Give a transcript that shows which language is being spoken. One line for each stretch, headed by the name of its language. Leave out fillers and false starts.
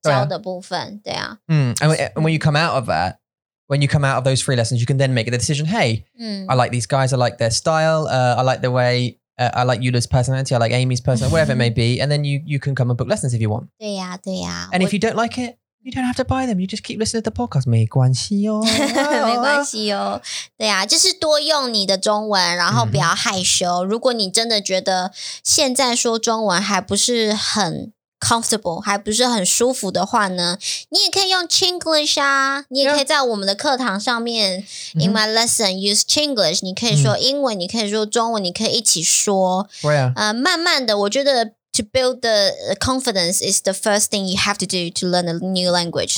English: And when you come out of that, when you come out of those free lessons, you can then make the decision, hey, I like these guys, I like their style, I like the way, I like Yula's personality, I like Amy's personality, whatever it may be. And then you can come and book lessons if you want.
Chinese: 对呀。
English: And if you don't like it, you don't have to buy them. You just keep listening to the podcast.
Chinese: 没关系哦，没关系哦。对啊，就是多用你的中文，然后不要害羞。如果你真的觉得现在说中文还不是很
English: comfortable，
Chinese: 还不是很舒服的话呢，你也可以用 Chinglish 啊。你也可以在我们的课堂上面
English: in my lesson use Chinglish.
Chinese: 你可以说英文，你可以说中文，你可以一起说。慢慢的，我觉得。
English: To build the confidence is the first thing you have to do to learn a new language.